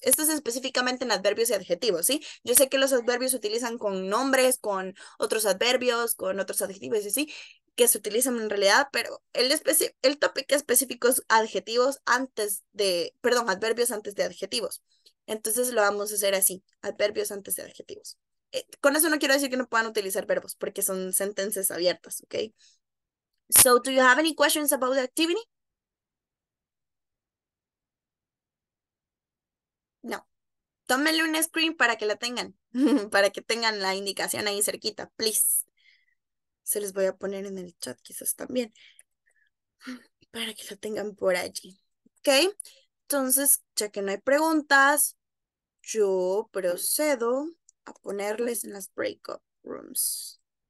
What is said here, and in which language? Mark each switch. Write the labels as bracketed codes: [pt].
[es] Esto es específicamente en adverbios y adjetivos, ¿sí? Yo sé que los adverbios se utilizan con nombres, con otros adverbios, con otros adjetivos, y sí, que se utilizan en realidad, pero el tópico específico es adjetivos antes de, perdón, adverbios antes de adjetivos. Entonces lo vamos a hacer así, adverbios antes de adjetivos. Con eso no quiero decir que no puedan utilizar verbos, porque son sentencias abiertas, ¿ok? [en] So, do you have any questions about the activity? No. [es] Tómenle un screen para que la tengan, para que tengan la indicación ahí cerquita, [en] please. [es] Se les voy a poner en el chat quizás también, para que lo tengan por allí. ¿Ok? Entonces, ya que no hay preguntas, yo procedo a ponerles en las breakout rooms.